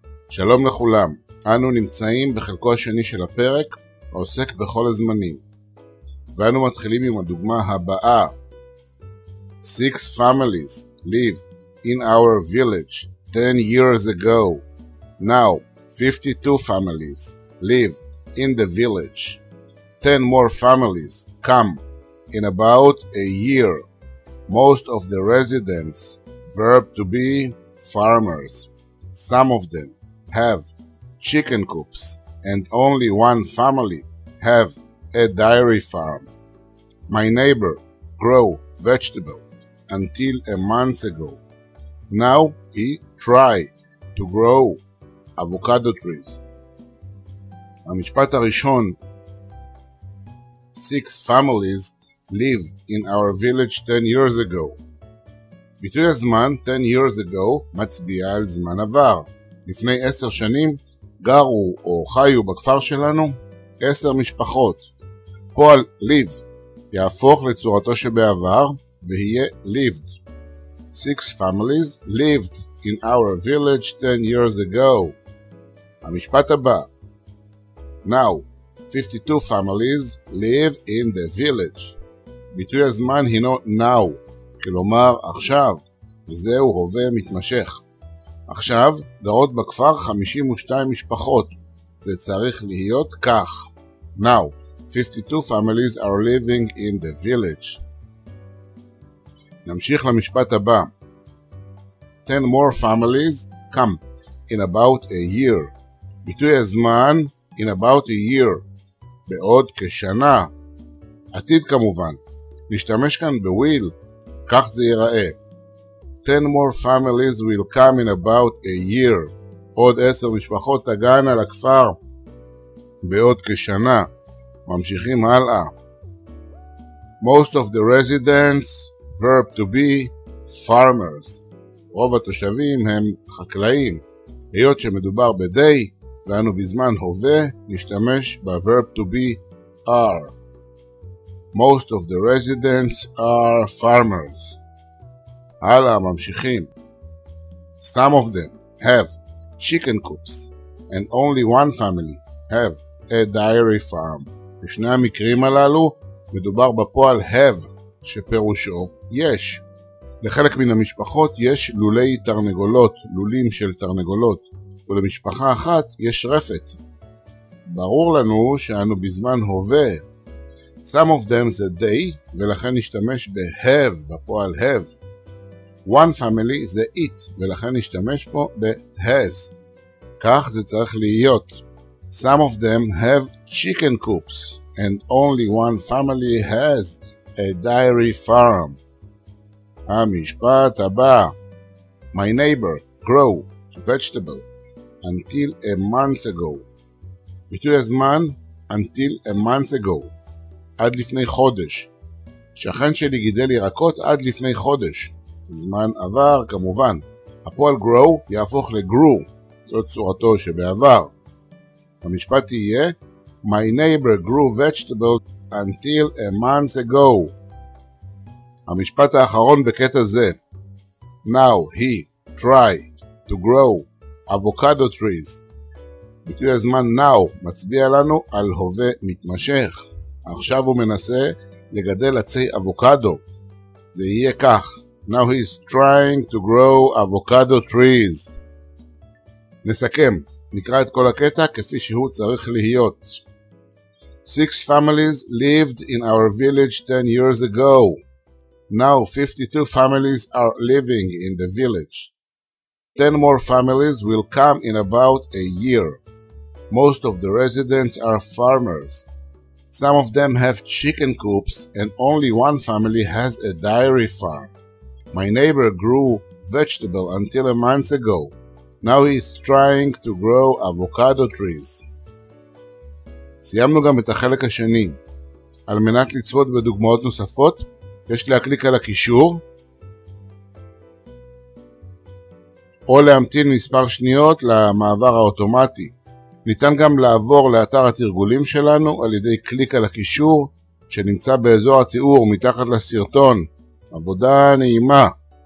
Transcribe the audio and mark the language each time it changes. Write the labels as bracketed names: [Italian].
[Hebrew] שלום לכולם, אנו נמצאים בחלקו השני של הפרק העוסק בכל הזמנים, ואנו מתחילים עם הדוגמה הבאה. [English] Six families live in our village 10 years ago. Now 52 families live in the village. 10 more families come in about a year. Most of the residents, verb to be, farmers. Some of them have chicken coops, and only one family have a dairy farm. My neighbor grew vegetables until a month ago. Now he tried to grow avocado trees. [Hebrew] המשפט הראשון, [English] six families live in our village 10 years ago. [Hebrew] ביטוי הזמן [English] 10 years ago [Hebrew] מצביע על זמן עבר. לפני 10 שנים גרו או חיו בכפר שלנו 10 משפחות. פועל live יהפוך לצורתו שבעבר ויהיה lived. [English] Six families lived in our village 10 years ago. [Hebrew] המשפט הבא, [English] now 52 families live in the village. [Hebrew] ביטוי הזמן הינו now, כלומר עכשיו, וזהו הווה מתמשך. עכשיו גרות בכפר 52 משפחות, זה צריך להיות כך. [English] Now 52 families are living in the village. [Hebrew] נמשיך למשפט הבא, [English] 10 more families come in about a year. [Hebrew] ביטוי הזמן [English] in about a year, [Hebrew] בעוד כשנה, עתיד כמובן. נשתמש כאן בוויל, כך זה ייראה. [English] 10 more families will come in about a year. [Hebrew] עוד 10 משפחות תגענה לכפר בעוד כשנה. ממשיכים הלאה. [English] Most of the residents, verb to be, farmers. [Hebrew] רוב התושבים הם חקלאים. היות שמדובר ב-day, ואנו בזמן הווה, נשתמש ב- [English] verb to be, are. Most of the residents are farmers. [Hebrew] הלאה, ממשיכים. [English] Some of them have chicken coops, and only one family have a dairy farm. [Hebrew] בשני המקרים הללו, מדובר בפועל have, שפירושו יש. לחלק מן המשפחות יש לולי תרנגולות, לולים של תרנגולות, ולמשפחה אחת יש רפת. ברור לנו שאנו בזמן הווה. [English] Some of them [Hebrew] זה they, ולכן נשתמש ב-have, בפועל have. [English] One family [Hebrew] זה it, ולכן נשתמש פה ב-has. כך זה צריך להיות. [English] Some of them have chicken coops, and only one family has a dairy farm. [Hebrew] המשפט הבא, [English] My neighbor grow vegetable until a month ago. [Hebrew] ביטוי הזמן, [English] until a month ago. [Hebrew] עד לפני חודש. שכן שלי גידל ירקות עד לפני חודש. זמן עבר כמובן. הפועל grow יהפוך ל-grew. זאת צורתו שבעבר. המשפט יהיה, [English] My neighbor grew vegetables until a month ago. [Hebrew] המשפט האחרון בקטע זה, [English] Now he tried to grow avocado trees. [Hebrew] ביטוי הזמן now מצביע לנו על הווה מתמשך. עכשיו הוא מנסה לגדל עצי אבוקדו. זה יהיה כך, [English] Now he is trying to grow avocado trees. [Hebrew] נסכם, נקרא את כל הקטע כפי שהוא צריך להיות. [English] Six families lived in our village 10 years ago. Now 52 families are living in the village. 10 more families will come in about a year. Most of the residents are farmers. Some of them have chicken coops and only one family has a dairy farm. My neighbor grew vegetable until a month ago. Now he is trying to grow avocado trees. [Hebrew] סיימנו גם את החלק השני. על מנת לצפות בדוגמאות נוספות, יש להקליק על הקישור או להמתין מספר שניות למעבר האוטומטי. ניתן גם לעבור לאתר התרגולים שלנו על ידי קליק על הקישור שנמצא באזור התיאור מתחת לסרטון. עבודה נעימה!